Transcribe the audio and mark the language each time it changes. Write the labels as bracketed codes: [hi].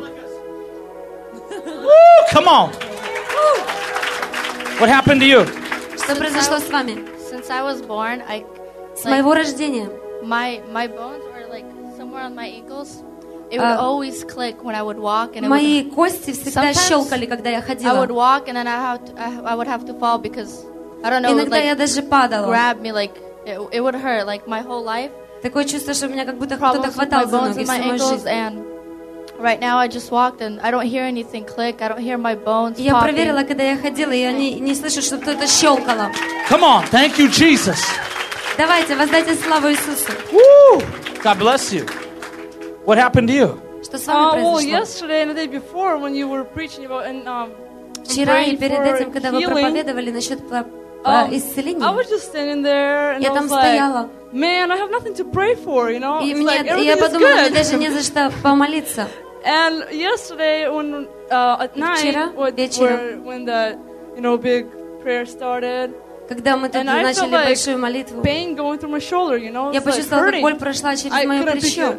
[en] Woo, come on! What happened to you? Since I was born, my bones were like somewhere on my ankles. It would always click when I would walk, and [ru] my кости всегда щелкали, когда я ходила. [en] I would walk, and then I would have to fall because I don't know. [ru] Иногда я даже падала. [en] Grab me, like it would hurt, like my whole life. [ru] Такое чувство, что меня как будто кто-то хватал за ноги всю мою жизнь. [en] Right now I just walked and I don't hear anything click. I don't hear my bones popping. [ru] Я проверила, когда я ходила, я не слышу, что кто-то щелкало. [en] Come on, thank you, Jesus. [ru] Давайте, воздайте славу Иисусу. [en] Woo! God bless you. What happened to you? [ru] Что с вами произошло? [en] Well, yesterday and the day before when you were preaching about and [ru] вчера и перед этим, когда вы проповедовали насчет исцеления. [en] I was just standing there and I was like, man, I have nothing to pray for, you know? It's like, [ru] я подумала, мне даже не за что помолиться. [en] And yesterday when at night when the big prayer started. [ru] Когда мы тут начали большую молитву. [en] Pain going through my shoulder, you know? [ru] Я почувствовала, как боль прошла через мое плечо.